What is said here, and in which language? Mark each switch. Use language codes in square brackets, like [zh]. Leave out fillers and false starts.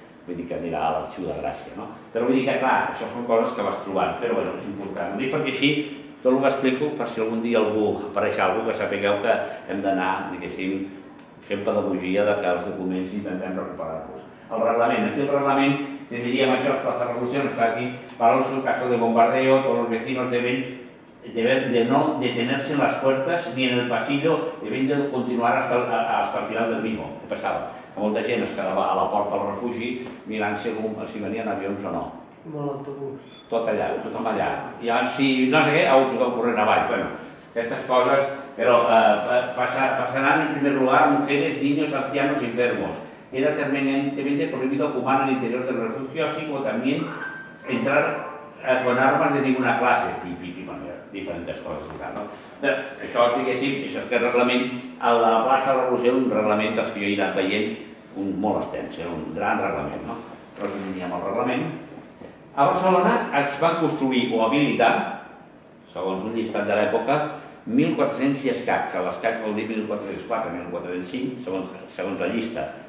[ca] Vull dir que anirà a l'Arxiu de Gràcia, no? Però vull dir que, clar, això són coses que vas trobant, però bueno, és important. Ho dic perquè així tot el que explico, per si algun dia algú apareix algú, que sapigueu que hem d'anar, diguéssim, fent pedagogia de que els documents intentem recuperar-los. El reglament, aquí el reglament, que diríem això, la plaça Revolució, no està aquí, [es] para los casos de bombardeo, todos los vecinos deben de no detenerse en las puertas ni en el pasillo, deben de continuar hasta el final del mismo. [ca] Què passava? Que molta gent es quedava a la porta del refugi mirant si venien avions o no. Amb l'autobús. Tot allà, tothom allà. I llavors, si no sé què, tothom corrent avall. Bueno, aquestes coses, però [es] passaran en primer lugar mujeres, niños, ancianos y enfermos. Era terminantemente prohibido fumar en el interior del refugio, así como también entrar con armas de ninguna clase. [ca] Diferents coses i tal, no? Això, diguéssim, és aquest reglament, a la plaça de la Revolució, un reglament dels que jo he anat veient molt extens, era un gran reglament, no? Però aquí teníem el reglament. A Barcelona es va construir o habilitar, segons un llistat de l'època, 1.400 i escacs, a l'escac vol dir 1.404, 1.405, segons la llista.